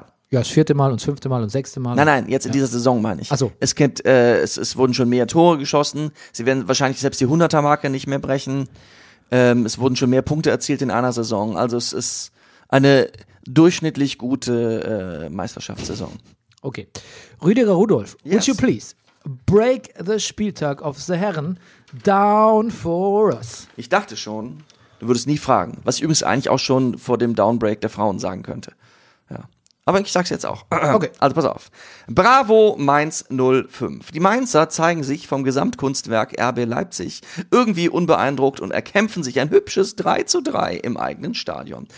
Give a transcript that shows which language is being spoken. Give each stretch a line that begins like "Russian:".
German: das vierte Mal und das fünfte Mal und das sechste Mal. Nein, jetzt in dieser Saison meine ich. Ach so. Es wurden schon mehr Tore geschossen, sie werden wahrscheinlich selbst die 100er-Marke nicht mehr brechen, es wurden schon mehr Punkte erzielt in einer Saison, also es ist eine durchschnittlich gute Meisterschaftssaison. Okay.
English: Rüdiger Rudolf, would you please? Break the Spieltag of the Herren down for us.
German: Ich dachte schon, du würdest nie fragen. Was ich übrigens eigentlich auch schon vor dem Downbreak der Frauen sagen könnte. Ja. Aber ich sag's jetzt auch. Okay. Also pass auf. Bravo Mainz 05. Die Mainzer zeigen sich vom Gesamtkunstwerk RB Leipzig irgendwie unbeeindruckt und erkämpfen sich ein hübsches 3-3 im eigenen Stadion.